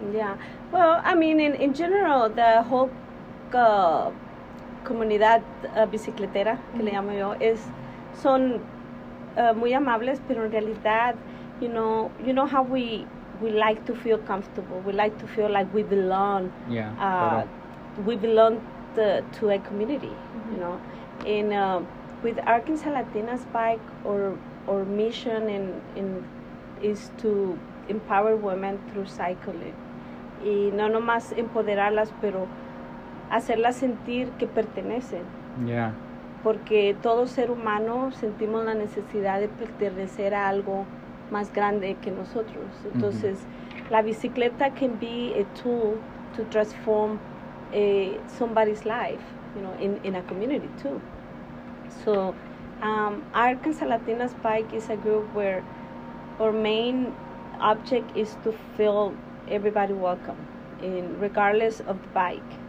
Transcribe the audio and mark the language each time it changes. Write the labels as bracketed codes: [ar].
[en] Yeah. Well, I mean, in general, the whole [es] comunidad bicicletera, [en] mm-hmm, [es] que le llamo yo, son muy amables, pero en realidad, [en] you know how we like to feel comfortable, we like to feel like we belong. Yeah. We belong to a community, mm-hmm, you know. And with Arkansas Latinas Bike, our mission in is to empower women through cycling. [es] Y no nomás empoderarlas, pero hacerlas sentir que pertenecen. [en] Yeah. [es] porque todo ser humano sentimos la necesidad de pertenecer a algo más grande que nosotros. Entonces, la bicicleta [en] can be a tool to transform somebody's life, you know, in a community too. So, Arkansas Latinas Bike is a group where our main object is to feel everybody welcome, in regardless of the bike.